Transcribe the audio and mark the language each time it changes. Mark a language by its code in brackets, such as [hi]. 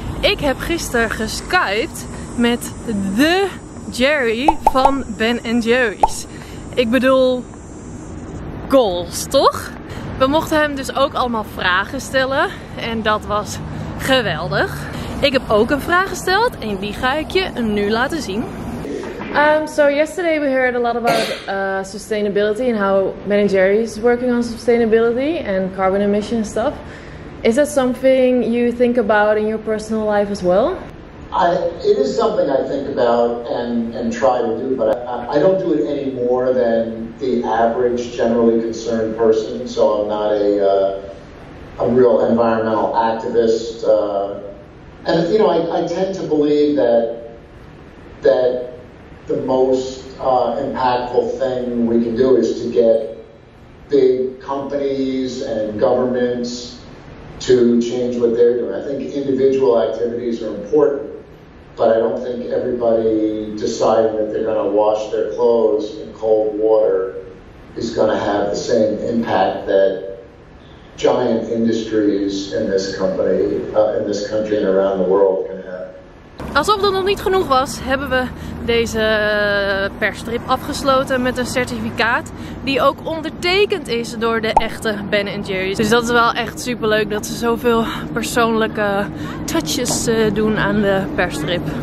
[nl] Ik heb gisteren geskyped met de Jerry van Ben & Jerry's. Ik bedoel, goals, toch? We mochten hem dus ook allemaal vragen stellen. En dat was geweldig. Ik heb ook een vraag gesteld en die ga ik je nu laten zien. [en] So yesterday we heard a lot about sustainability and how Ben & Jerry's working on sustainability and carbon emission stuff. Is that something you think about in your personal life as well? It is something I think about and try to do, but I don't do it any more than the average generally concerned person. So I'm not a real environmental activist. And you know, I tend to believe that the most impactful thing we can do is to get big companies and governments to change what they're doing. I think individual activities are important, but I don't think everybody deciding that they're gonna wash their clothes in cold water is gonna have the same impact that giant industries in this company, in this country and around the world can have. [nl] Alsof dat nog niet genoeg was, hebben we deze persstrip afgesloten met een certificaat die ook ondertekend is door de echte Ben & Jerry's. Dus dat is wel echt super leuk dat ze zoveel persoonlijke touches doen aan de persstrip.